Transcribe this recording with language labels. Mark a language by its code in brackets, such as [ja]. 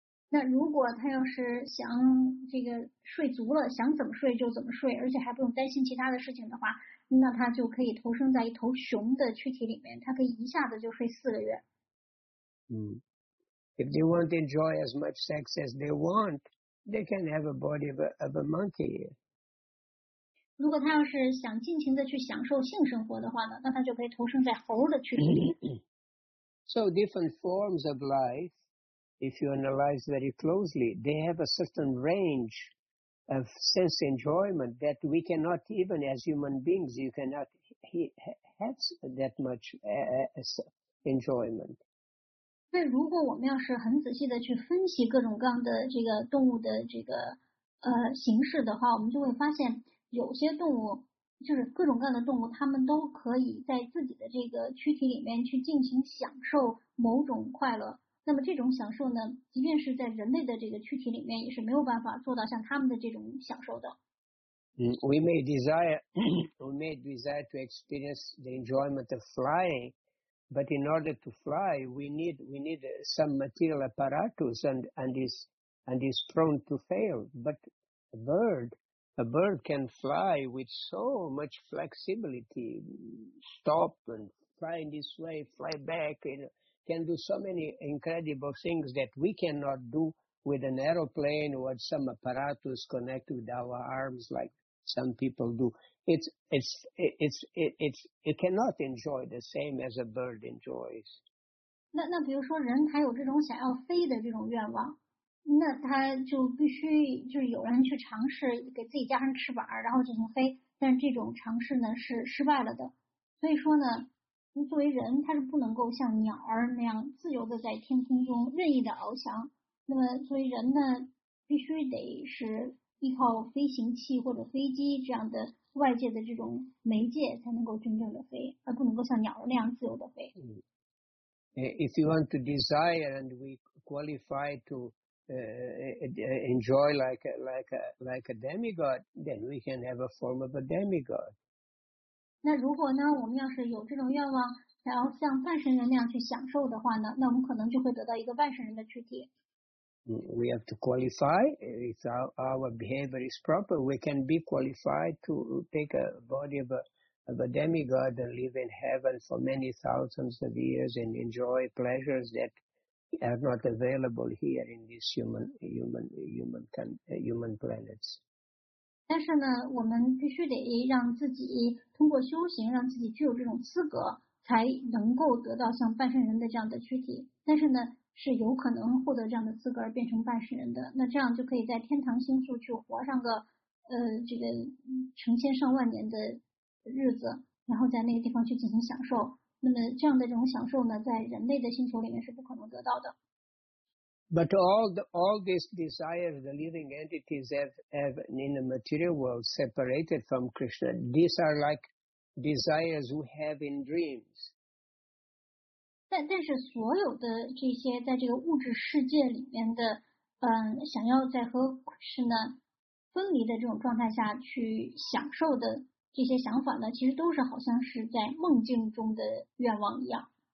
[zh] 那如果他要是想这个睡足了，想怎么睡就怎么睡，而且还不用担心其他的事情的话，那他就可以投生在一头熊的躯体里面，他可以一下子就睡4个月。 [en] If they want to enjoy as much sex as they want, they can have a body of a monkey. [zh] 如果他要是想尽情的去享受性生活的话呢，那他就可以投生在猴的躯体里。 [en] So different forms of life, if you analyze very closely, they have a certain range of sense enjoyment that we cannot even as human beings, you cannot have that much enjoyment. [zh] 所以如果我们要是很仔细的去分析各种各样的这个动物的这个形式的话，我们就会发现。有些动物就是各种各样的动物，它们都可以在自己的这个躯体里面去进行享受某种快乐。那么这种享受呢，即便是在人类的这个躯体里面，也是没有办法做到像他们的这种享受的。 [en] We may desire to experience the enjoyment of flying, but in order to fly, we need some material apparatus and is prone to fail. But a bird can fly with so much flexibility, stop and fly in this way, fly back, you know, can do so many incredible things that we cannot do with an aeroplane or some apparatus connected with our arms like some people do. It cannot enjoy the same as a bird enjoys. [zh] 那比如说人还有这种想要飞的这种愿望。那他就必须就是有人去尝试给自己加上翅膀然后进行飞，但是这种尝试呢是失败了的。所以说呢，作为人他是不能够像鸟儿那样自由的在天空中任意的翱翔，那么作为人呢必须得是依靠飞行器或者飞机这样的外界的这种媒介才能够真正的飞，而不能够像鸟儿那样自由的飞。 [en] If you want to desire and we qualify toenjoy like a demigod, then we can have a form of a demigod. [zh] 那如果呢，我们要是有这种愿望，想要像半神人那样去享受的话呢，那我们可能就会得到一个半神人的躯体。 [en] We have to qualify. If our behavior is proper, we can be qualified to take a body of a demigod and live in heaven for many thousands of years and enjoy pleasures that. Are not available here in this human planets. [zh] 但是呢，我们必须得让自己通过修行，让自己具有这种资格，才能够得到像半神人的这样的躯体。但是呢，是有可能获得这样的资格而变成半神人的。那这样就可以在天堂星宿去活上个这个成千上万年的日子，然后在那个地方去进行享受。那么这样的这种享受呢，在人类的星球里面是不可能得到的。 [en] But all these desires, the living entities have in the material world separated from Krishna. These are like desires we have in dreams. [zh] 但是所有的这些在这个物质世界里面的 想要在和Krishna分离的这种状态下去享受的这些想法呢，其实都是好像是在梦境中的愿望一样。